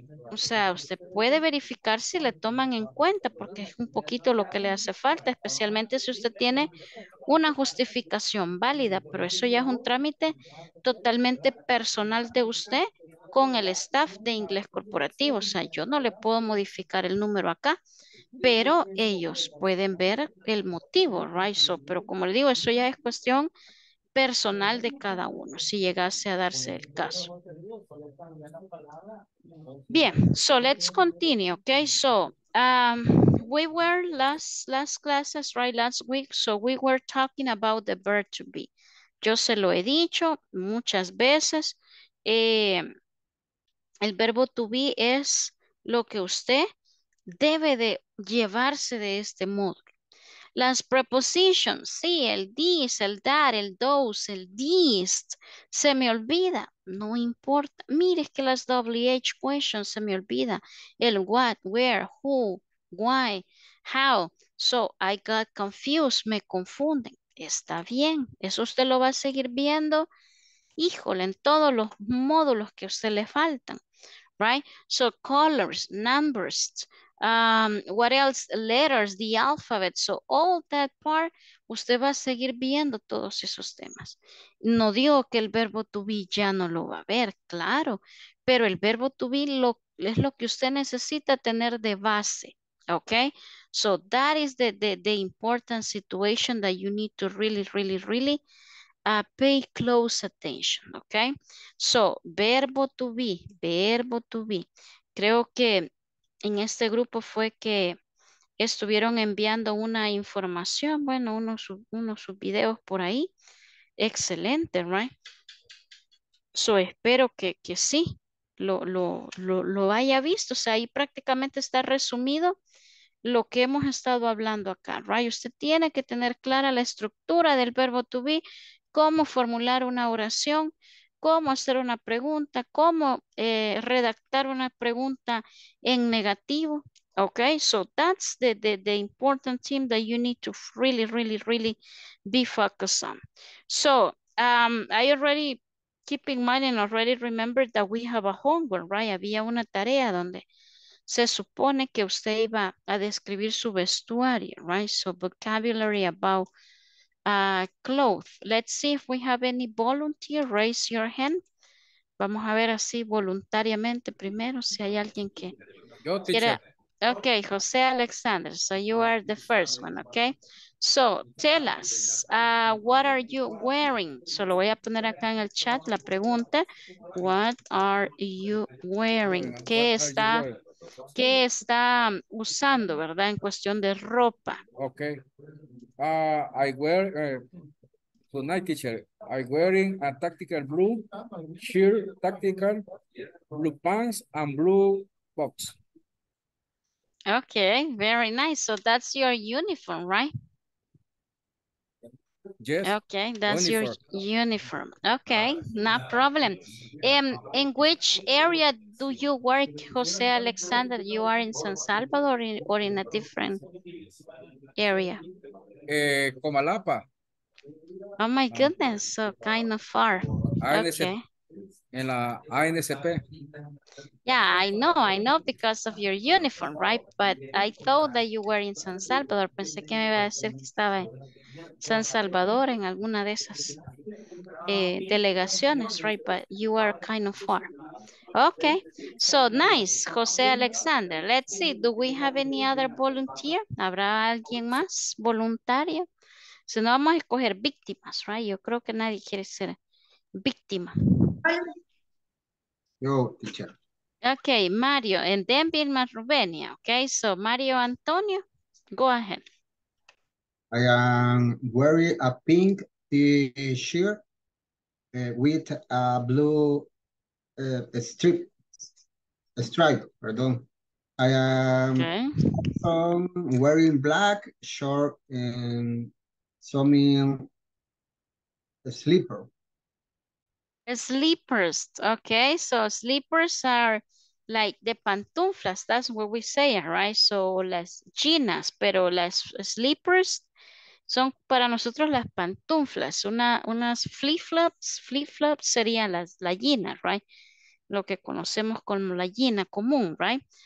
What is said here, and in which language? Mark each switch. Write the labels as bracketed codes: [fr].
[es] O sea, usted puede verificar si le toman en cuenta, porque es un poquito lo que le hace falta, especialmente si usted tiene una justificación válida, pero eso ya es un trámite totalmente personal de usted con el staff de inglés corporativo. O sea, yo no le puedo modificar el número acá, pero ellos pueden ver el motivo, right? So, pero como le digo, eso ya es cuestión personal de cada uno, si llegase a darse el caso. [en] Bien, so let's continue, okay? So, we were last classes, right, last week, so we were talking about the verb to be. [es] Yo se lo he dicho muchas veces, el verbo to be es lo que usted debe de llevarse de este módulo. Las prepositions, sí, el this, el that, el those, el dist, se me olvida, no importa. Mire, es que las WH questions se me olvida. El what, where, who, why, how. [en] So, I got confused, [es] me confunden. Está bien, eso usted lo va a seguir viendo, híjole, en todos los módulos que a usted le faltan. [en] Right? So, colors, numbers, what else? Letters, the alphabet. So all that part, [es] usted va a seguir viendo todos esos temas. No digo que el verbo to be ya no lo va a ver, claro, pero el verbo to be es lo que usted necesita tener de base. [en] Okay? So that is the important situation that you need to really, really, really pay close attention. Okay? So verbo to be, verbo to be. [es] Creo que en este grupo fue que estuvieron enviando una información, bueno, unos videos por ahí. Excelente, right? So, espero que sí, lo haya visto. O sea, ahí prácticamente está resumido lo que hemos estado hablando acá, right? Usted tiene que tener clara la estructura del verbo to be, cómo formular una oración, cómo hacer una pregunta, cómo redactar una pregunta en negativo. [en] Okay, so that's the important thing that you need to really, really, really be focused on. So I already keep in mind and already remember that we have a homework, right? [es] Había una tarea donde se supone que usted iba a describir su vestuario, right? [en] So vocabulary about clothes. Let's see if we have any volunteer. Raise your hand. [es] Vamos a ver así voluntariamente primero si hay alguien que yo, teacher. Quiera. [en] Okay, Jose Alexander, so you are the first one, okay? So, tell us, what are you wearing? [es] So, lo voy a poner acá en el chat la pregunta. [en] What are you wearing? [es] ¿Qué está usando, verdad, en cuestión de ropa? [en] Okay. I wear, tonight, teacher, I'm wearing a tactical blue shirt, tactical blue pants, and blue box. Okay, very nice. So that's your uniform, right? Yes. Okay, that's uniform. Your uniform. Okay, no problem. In which area do you work, Jose Alexander? You are in San Salvador or in a different area? Comalapa. Oh my goodness, so kind of far. ANSP. Okay. [es] En la ANSP. [en] Yeah, I know because of your uniform, right? But I thought that you were in San Salvador. [es] Pensé que me iba a decir que estaba en San Salvador en alguna de esas delegaciones, right? [en] But you are kind of far. Okay, so nice, Jose Alexander. Let's see, do we have any other volunteer? [es] ¿Habrá alguien más voluntario? Si no, vamos a escoger víctimas, right? Yo creo que nadie quiere ser víctima. Yo, teacher. [en] Okay, Mario, and then Vilma Rubenia. Okay, so Mario Antonio, go ahead. I am wearing a pink t-shirt with a blue stripe. I am okay. Wearing black short and some slipper. Slippers, okay, so slippers are like the pantuflas, that's what we say, right? [es] So las chinas, pero las slippers son para nosotros las pantuflas, unas flip-flops serían las gallinas, right? Lo que conocemos como la gallina común, right?